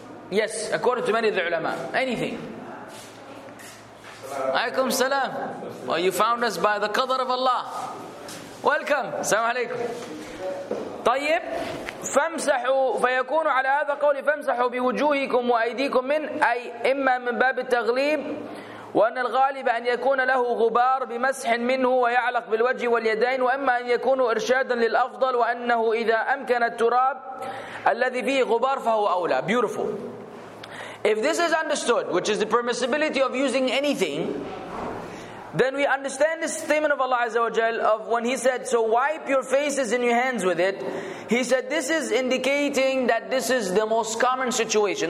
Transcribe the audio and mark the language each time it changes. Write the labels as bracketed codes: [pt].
[en] Yes, according to many of the ulama, anything. Alaykum salam. Well, you found us by the qadr of Allah. Welcome. Assalamu alaykum. [ar] طيب فامسحوا فيكون على هذا قول فامسحوا بوجوهكم وأيديكم من أي إما من باب التغليب وأن الغالب أن يكون له غبار بمسح منه ويعلق بالوجه واليدين وأما أن يكون إرشادا للأفضل وأنه إذا أمكن التراب الذي فيه غبار فهو أولى. [en] Beautiful. If this is understood, which is the permissibility of using anything, then we understand this statement of Allah Azza wa Jal of when He said, so wipe your faces and your hands with it. He said, this is indicating that this is the most common situation.